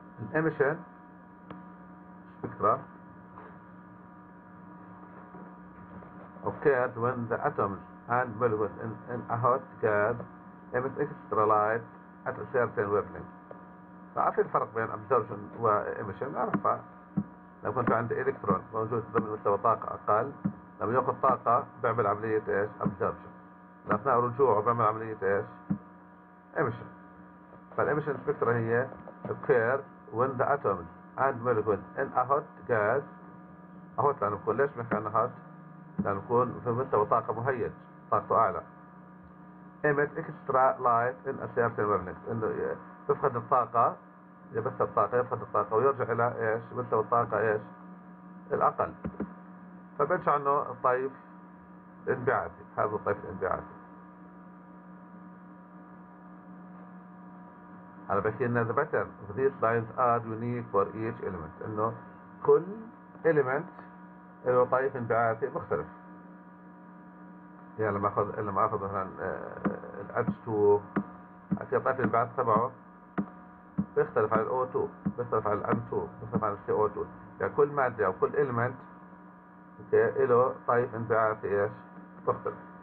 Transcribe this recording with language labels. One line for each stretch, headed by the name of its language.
Arabic: الاميشن سبيكترم
English: occurred when the atoms and molecules in a hot gas emit extra light at a certain wavelength.
Arabic: فعرف الفرق بين absorption و emission؟ أعرفها. لو كنت عندي إلكترون موجود ضمن مستوى طاقة أقل، لما يأخذ طاقة بعمل عملية إيش؟ absorption. أثناء رجوعه بعمل عملية إيش؟ emission.
English: فالemission spectra هي occur when the atoms and molecules in a hot gas.
Arabic: أهوت لأنه بقول ليش مكان hot؟ لأنه يكون في مستوى طاقة مهيج، طاقته أعلى.
English: emit extra light in a certain wavelength،
Arabic: إنه يفقد الطاقة، يبث الطاقة، يفقد الطاقة ويرجع إلى إيش؟ مستوى الطاقة إيش؟ الأقل. فبنش عنه الطيف الانبعاثي، هذا الطيف الانبعاثي. أنا بحكي إنه
English: the pattern of these lines are unique for each element،
Arabic: إنه كل element إنه طيف انبعاثي مختلف. يعني لما أخذ مثلاً الأتش 2 أكيد طيف الانبعاث تبعه بيختلف عن الأو 2، بيختلف عن الأم 2، بيختلف عن السي أو 2. يعني كل مادة أو كل إلمنت له طيف انبعاثي إيش مختلف.